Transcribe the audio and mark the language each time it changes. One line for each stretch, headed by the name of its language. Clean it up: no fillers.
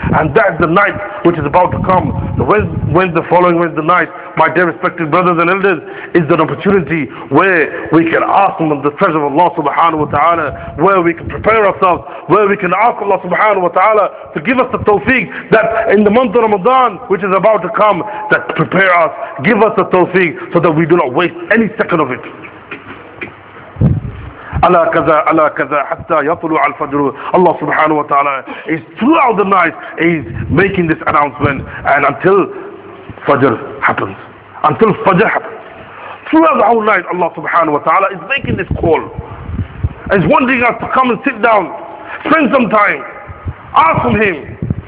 English: And that is the night which is about to come. The following Wednesday night, my dear respected brothers and elders, is an opportunity where we can ask from the treasure of Allah subhanahu wa ta'ala, where we can prepare ourselves, where we can ask Allah subhanahu wa ta'ala to give us the tawfiq that in the month of Ramadan, which is about to come, that prepare us, give us the tawfiq so that we do not waste any second of it.
Arabic: على كذا على كذا حتى يطلع الفجر.
English: Allah subhanahu wa ta'ala is throughout the night is making this announcement, and until Fajr happens, until Fajr happens, throughout the whole night Allah subhanahu wa ta'ala is making this call, is wanting us to come and sit down, spend some time, ask from him.